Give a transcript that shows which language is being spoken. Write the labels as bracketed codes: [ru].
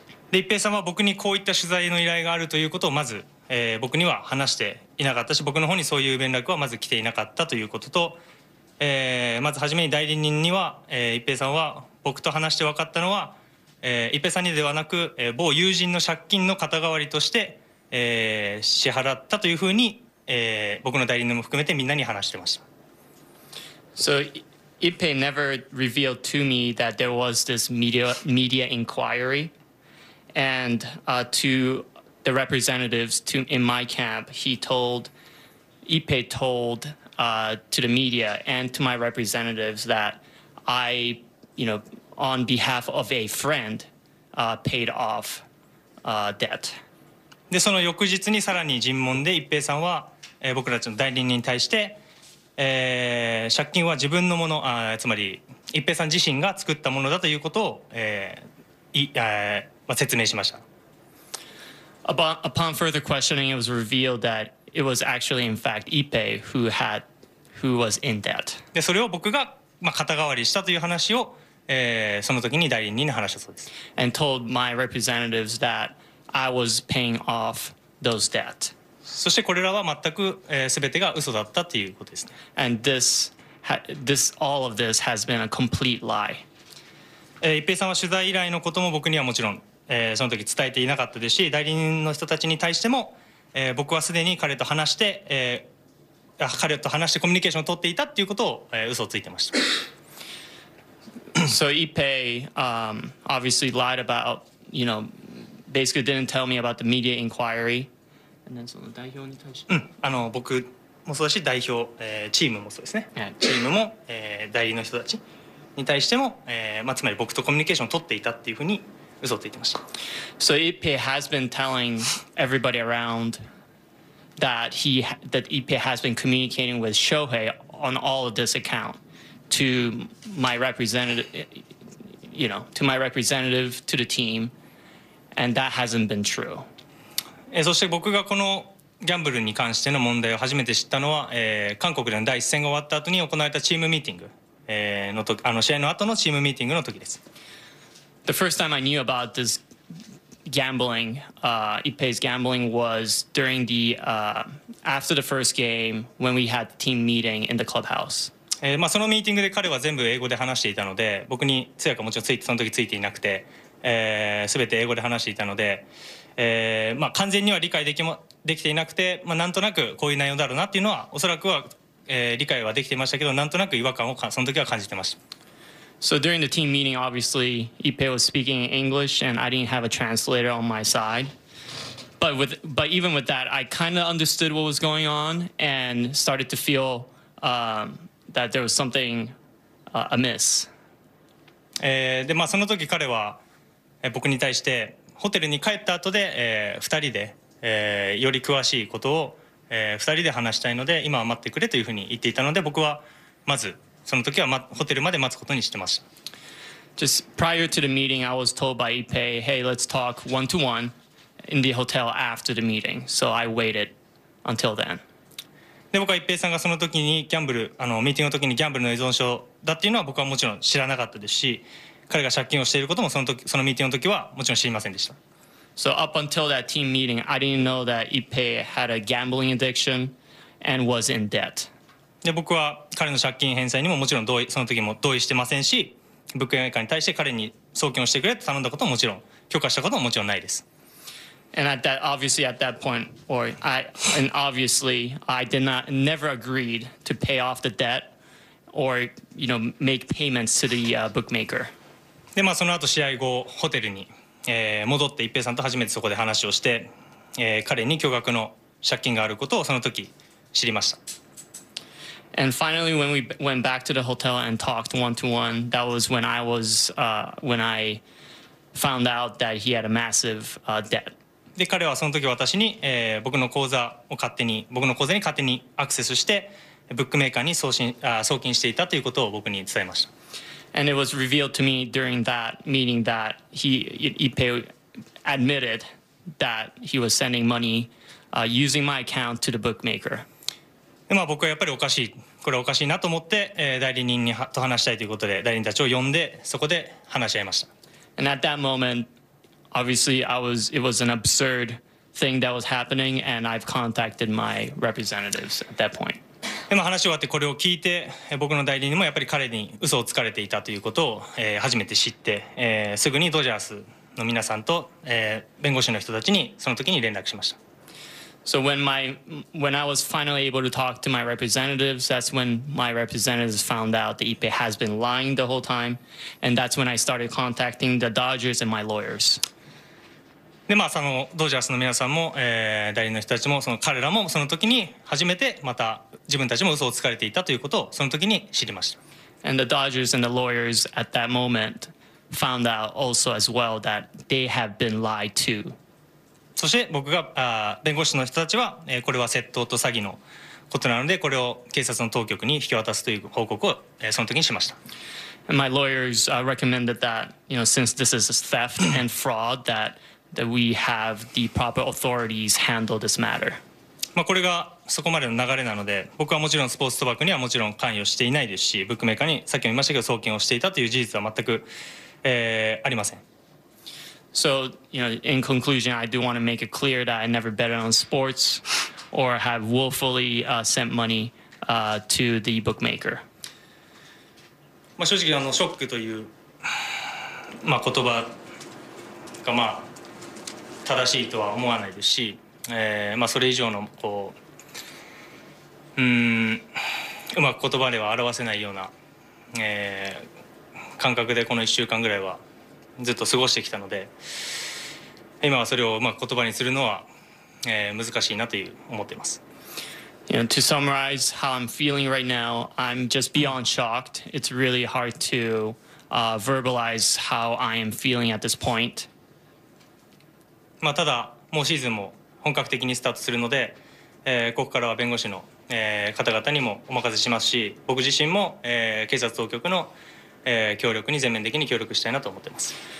[ja] で、一平さんは僕にこういった取材の依頼があるということをまず、僕には話していなかったし、僕の方にそういう連絡はまず来ていなかったということと、まず初めに代理人には、一平さんは僕と話して分かったのは、一平さんにではなく、某友人の借金の肩代わりとして、支払ったというふうに、僕の代理人も含めてみんなに話してました。 [en] So,Ipe never revealed to me that there was this media inquiry. And to the representatives in my camp, Ipe told to the media and to my representatives that I, you know, on behalf of a friend, paid off debt. [ja] で、その翌日にさらに尋問で、一平さんは、僕たちの代理人に対して、借金は自分のもの、つまり一平さん自身が作ったものだということを、説明しました。 [en] Upon further questioning, it was revealed that it was actually in fact Ipe who was in debt. [ja] で、それを僕が、まあ、肩代わりしたという話を、その時に代理人に話したそうです。 [en] And told my representatives that I was paying off those debt. [ja] そしてこれらは全く、全てが嘘だったということですね。 [en] And this all of this has been a complete lie. [ja] 一平さんは取材依頼のことも僕にはもちろん、その時伝えていなかったですし、代理人の人たちに対しても、僕はすでに彼と話して、彼と話してコミュニケーションを取っていたということを、嘘をついてました。 [en] So Ipe, obviously lied about, you know, basically didn't tell me about the media inquiry. [ja] 僕もそうだし代表、チームもそうですね、 yeah. チームも、代理の人たちに対しても、まあ、つまり僕とコミュニケーションを取っていたっていうふうに嘘をついてました。 [en] So Ipe has been telling everybody around that Ipe has been communicating with Shohei on all of this account to my representative, you know, to my representative, to the team, and that hasn't been true. [ja] そして僕がこのギャンブルに関しての問題を初めて知ったのは、韓国での第一戦が終わった後に行われたチームミーティング、の時、あの試合の後のチームミーティングの時です。 [en] The first time I knew about this gambling, Ipe's gambling was during the, after the first game when we had team meeting in the clubhouse. [ja] まあそのミーティングで彼は全部英語で話していたので、僕に通訳もちろんついて、その時ついていなくて、全て英語で話していたので、まあ、完全には理解できま、できていなくて、まあ、なんとなくこういう内容だろうなっていうのはおそらくは、理解はできていましたけど、なんとなく違和感をその時は感じてました。 [en] So during the team meeting, obviously, Ipe was speaking in English and I didn't have a translator on my side. But even with that, I kind of understood what was going on and started to feel that there was something amiss. [ja] で、まあ、その時彼は僕に対してホテルに帰った後で、2人で、より詳しいことを、2人で話したいので今は待ってくれというふうに言っていたので、僕はまずその時はホテルまで待つことにしてました。 [en] Just prior to the meeting, I was told by Ipe, hey, let's talk one to one in the hotel after the meeting. So I waited until then. [ja] で、僕は一平さんがその時にギャンブル、ミーティングの時にギャンブルの依存症だっていうのは僕はもちろん知らなかったですし、彼が借金をしていることもその時、そのミーティングの時はもちろん知りませんでした。 [en] So up until that team meeting, I didn't know that Ipe had a gambling addiction and was in debt. [ja] で、僕は彼の借金返済にももちろん同意、その時も同意してませんし、物件会社に対して彼に送金をしてくれと頼んだことももちろん、許可したことももちろんないです。 [en] And at that, obviously at that point, or I, and obviously I did not, never agreed to pay off the debt or, you know, make payments to the bookmaker. [ja] で、まあその後試合後、ホテルに、戻って一平さんと初めてそこで話をして、彼に巨額の借金があることをその時知りました。 [en] And finally, when we went back to the hotel and talked one-to-one, that was when I was, when I found out that he had a massive debt. [ja] で、彼はその時私に、僕の口座を勝手に、僕の口座に勝手にアクセスして、ブックメーカーに送金していたということを僕に伝えました。 [en] And it was revealed to me during that meeting that he, Ipe admitted that he was sending money, using my account to the bookmaker. [ja] でまあ、僕はやっぱりおかしい、これおかしいなと思って、代理人にと話したいということで代理人たちを呼んでそこで話し合いました。 [en] And at that moment, obviously I was, it was an absurd thing that was happening and I've contacted my representatives at that point. [ja] でまあ、話終わってこれを聞いて、僕の代理人もやっぱり彼に嘘をつかれていたということを、初めて知って、すぐにドジャースの皆さんと、弁護士の人たちにその時に連絡しました。 [en] So when I was finally able to talk to my representatives, that's when my representatives found out that Ipe has been lying the whole time, and that's when I started contacting the Dodgers and my lawyers. [ja] で、まあ、そのドジャースの皆さんも、代理の人たちもその彼らもその時に初めてまた自分たちも嘘をつかれていたということをその時に知りました。 [en] And the Dodgers and the lawyers at that moment found out also as well that they have been lied to. [ja] そして僕が弁護士の人たちは、これは窃盗と詐欺のことなので、これを警察の当局に引き渡すという報告を、その時にしました。 [en] And my lawyers recommended that, you know, since this is theft and fraud, that we have the proper authorities handle this matter. [ja] まあ、これがそこまでの流れなので、僕はもちろんスポーツ賭博にはもちろん関与していないですし、ブックメーカーにさっきも言いましたけど送金をしていたという事実は全く、ありません。 [en] So, you know, in conclusion, I do want to make it clear that I never betted on sports or have willfully sent money to the bookmaker. [ja] まあ正直、あのショックという、まあ、言葉が、まあ、正しいとは思わないですし、まあ、それ以上のこう、うまく言葉では表せないような、感覚でこの1週間ぐらいはずっと過ごしてきたので、今はそれをまあ言葉にするのは、難しいなという思っています。 [en] You know, to summarize how I'm feeling right now, I'm just beyond shocked. It's really hard to verbalize how I am feeling at this point. [ja] まあただもうシーズンも本格的にスタートするので、ここからは弁護士の、方々にもお任せしますし、僕自身も、警察当局の協力に全面的に協力したいなと思ってます。